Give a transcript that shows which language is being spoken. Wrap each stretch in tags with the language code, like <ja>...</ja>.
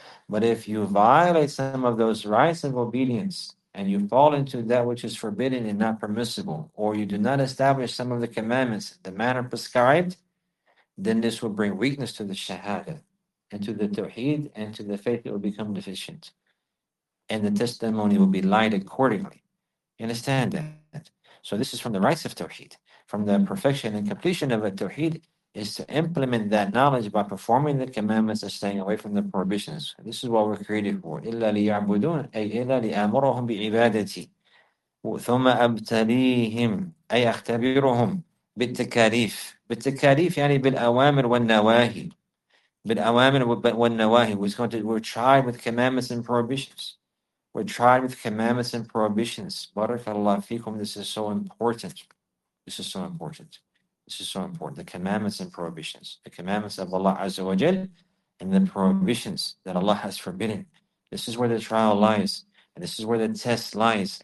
<en>But if you violate some of those rites of obedience, and you fall into that which is forbidden and not permissible, or you do not establish some of the commandments the manner prescribed, then this will bring weakness to the shahada and to the tawheed, and to the faith it will become deficient, and the testimony will be light accordingly. You understand that? So this is from the rights of tawheed. From the perfection and completion of a tawheed is to implement that knowledge by performing the commandments and staying away from the prohibitions. This is what we're created for.</en> <ar>إِلَّا لِيَعْبُدُونَ أَيْ إِلَّا لِأَمُرَهُمْ بِعِبَادَتِي ثُمَّ أَبْتَلِيهِمْ أَيْ أَخْتَبِرُهُمْ بِالتَّكَالِيفِ بِالتَّكَالِيفِ يعني بِالْأَوَامِرْ وَالنَّوَاهِي بِالْأَوَامِرْ وَالنَّوَاهِي.</ar> <en>We're tried with commandments and prohibitions. We're tried with commandments and prohibitions. Barakallahu fikum. This is so important. This is so important. This is so important. The commandments and prohibitions. The commandments of Allah Azza wa Jal and the prohibitions that Allah has forbidden. This is where the trial lies. And this is where the test lies.</en>